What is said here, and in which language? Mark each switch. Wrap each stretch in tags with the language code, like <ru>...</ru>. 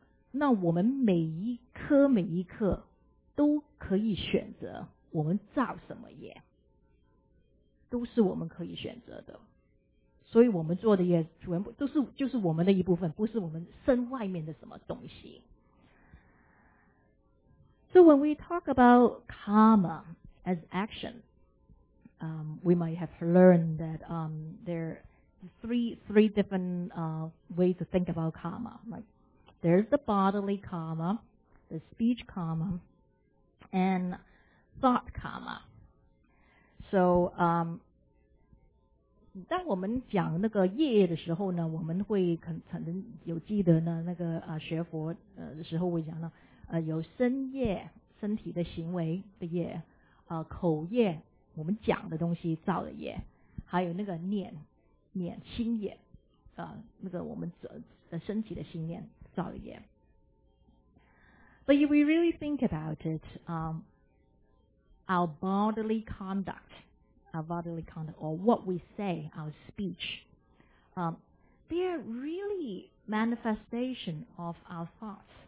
<zh>那我们每一刻每一刻都可以选择我们造什么业，都是我们可以选择的。所以我们做的业全部都是就是我们的一部分，不是我们身外面的什么东西。</zh> <en>So when we talk about karma as action, we might have learned that there are three different ways to think about karma. Like, there's the bodily karma, the speech karma, and thought karma.</en> <zh>So, 当我们讲那个业的时候呢，我们会可能有记得呢，那个学佛的时候会讲到。有身业，身体的行为的业，口业，我们讲的东西造的业，还有那个念心业，那个我们身体的心念造的业。</zh> <en>But if we really think about it, our bodily conduct, or what we say, our speech, they are really manifestation of our thoughts.</en>